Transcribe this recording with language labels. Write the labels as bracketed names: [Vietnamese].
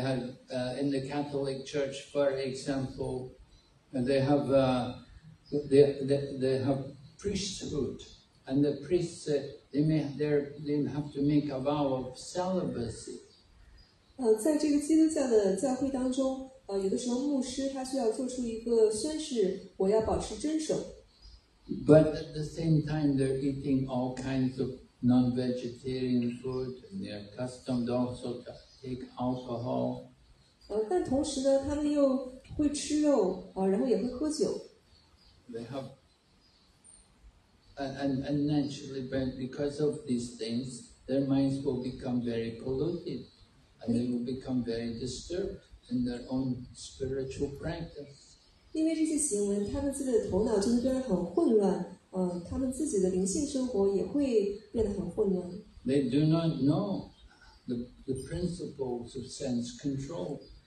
[English] have in the Catholic Church, for example, they have priesthood, and the priests they have to make a vow of celibacy. [Chinese] 在这个基督教的教会当中。有的时候牧师他需要做出一个宣誓，我要保持真守。 [English] But at the same time, they're eating all kinds of non-vegetarian food, and they're accustomed also to take alcohol. [Chinese] 但同时呢，他们又会吃肉，然后也会喝酒。 [English] They have, and naturally, because of these things, their minds will become very polluted, and they will become very disturbed in their own spiritual practice. They do not know the principles of sense control.